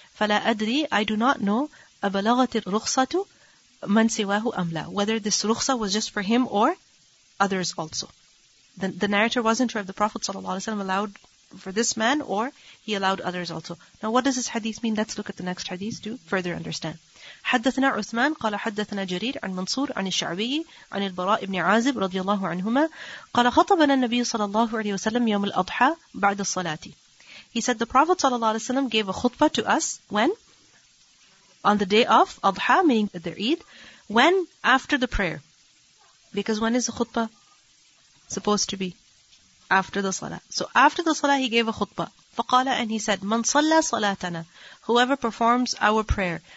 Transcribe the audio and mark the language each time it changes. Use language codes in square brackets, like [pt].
[ar] فَلَا أَدْرِي, [en] I do not know, [ar] أَبَلَغَتِ الرُّخْصَةُ مَنْ سِوَاهُ أَمْ لَا, [en] whether this rukhsa was just for him or others also. The narrator wasn't sure if the Prophet صلى الله عليه وسلم allowed for this man or he allowed others also. Now what does this hadith mean? Let's look at the next hadith to further understand. [ar] حدثنا عثمان قال حدثنا جرير عن منصور عن الشعبي عن البراء بن عازب رضي الله عنهما قال خطبنا النبي صلى الله عليه وسلم يوم الأضحى بعد الصلاة. [en] He said the Prophet صلى الله عليه وسلم gave a khutbah to us when? On the day of Adha, meaning the Eid. When? After the prayer. Because when is the khutbah supposed to be? After the salah. So after the salah, he gave a khutbah. فقال, and he said, [ar] من صلى صلاتنا, [en] whoever performs our prayer.